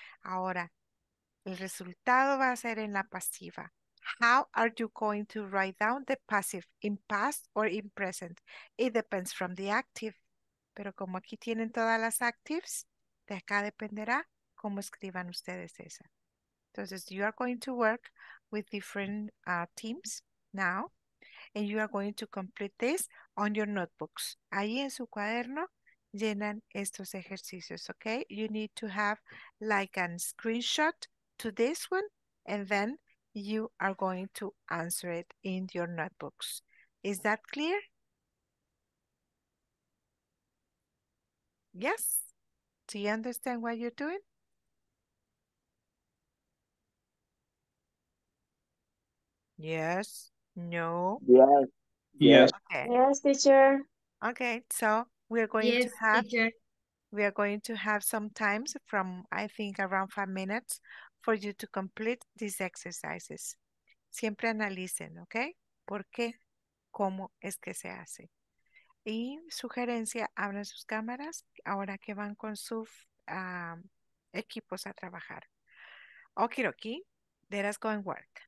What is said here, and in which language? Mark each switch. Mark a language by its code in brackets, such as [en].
[es] Ahora, el resultado va a ser en la pasiva. [en] How are you going to write down the passive? In past or in present? It depends from the active. [es] Pero como aquí tienen todas las actives, de acá dependerá cómo escriban ustedes esa. [en] Entonces, you are going to work with different teams now. And you are going to complete this on your notebooks. [es] Ahí en su cuaderno llenan estos ejercicios, okay? [en] You need to have like a screenshot to this one, and then you are going to answer it in your notebooks. Is that clear? Yes? Do you understand what you're doing? Yes? No? Yes. Okay. Yes, teacher. Okay, so we're going to have teacher. We are going to have some times from, I think, around 5 minutes for you to complete these exercises. [es] Siempre analicen, ¿ok? ¿Por qué? ¿Cómo es que se hace? Y sugerencia, abran sus cámaras ahora que van con sus equipos a trabajar. [en] Okiroki, let us go and work.